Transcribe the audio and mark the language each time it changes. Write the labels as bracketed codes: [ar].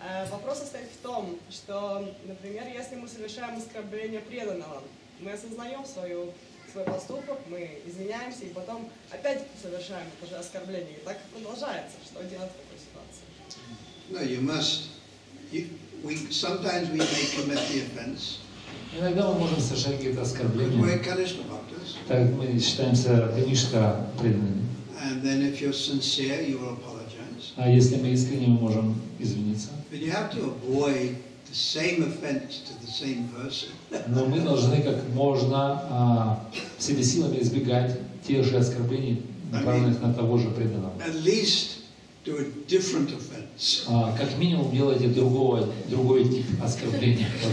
[ru] Вопрос состоит в том, что, например, если мы совершаем оскорбление преданного, мы осознаем свой поступок, мы извиняемся и потом опять совершаем это же оскорбление. И так продолжается. Что делать в такой ситуации? [en] No, you must. Sometimes we may commit the offense. [ru] Иногда мы можем совершать какие-то оскорбления. [en] We're Krishna bhaktas. [ru] Так мы считаемся Кришна преданными. [en] And then if you're sincere, you will apologize. [ru] А если мы искренне, мы можем извиниться. [en] But you have to avoid the same offense to the same person. [ru] Но мы должны как можно всеми силами избегать тех же оскорблений, направленных на того же преданного. [en] At least do a different offense. [ru] Как минимум делайте другой тип оскорбления.